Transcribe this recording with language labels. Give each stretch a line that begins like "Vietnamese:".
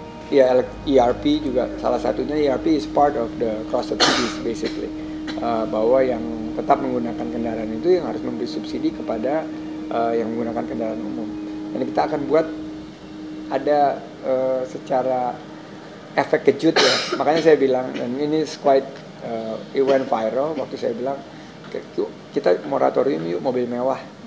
Indonesian: Ya, ERP juga salah satunya.
English: ERP is part of the cross subsidies basically.
Indonesian: Bahwa yang tetap menggunakan kendaraan itu yang harus memberi subsidi kepada yang menggunakan kendaraan umum. Dan kita akan buat ada secara efek kejut ya. Makanya saya bilang, dan ini
English: it went viral
Indonesian: waktu saya bilang, kita moratorium yuk mobil mewah.